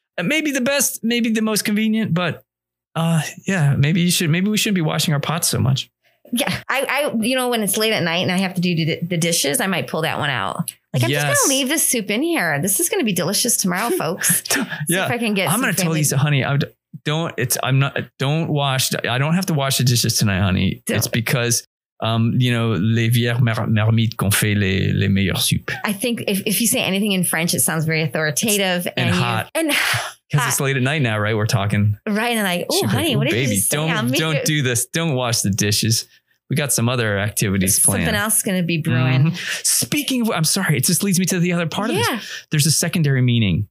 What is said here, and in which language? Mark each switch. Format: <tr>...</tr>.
<en>Maybe the best, maybe the most convenient, but maybe we shouldn't be washing our pots so much. Yeah, I you know, when it's late at night and I have to do the dishes, I might pull that one out. Like, I'm just going to leave this soup in here. This is going to be delicious tomorrow, folks. See if I can get. I'm going to tell Lisa, honey, I don't have to wash the dishes tonight, honey. Don't. It's because,</en> <fr>les vieilles marmites qu'on fait les meilleures soupes.</fr> <en>I think if you say anything in French, it sounds very authoritative. Because it's late at night now, right? We're talking. Right. And like, oh, honey, what baby, did you just don't, say? Don't do this. Don't wash the dishes. We got some other activities planned. Something else is going to be brewing. Mm-hmm. Speaking of, I'm sorry, it just leads me to the other part of this. There's a secondary meaning.</en>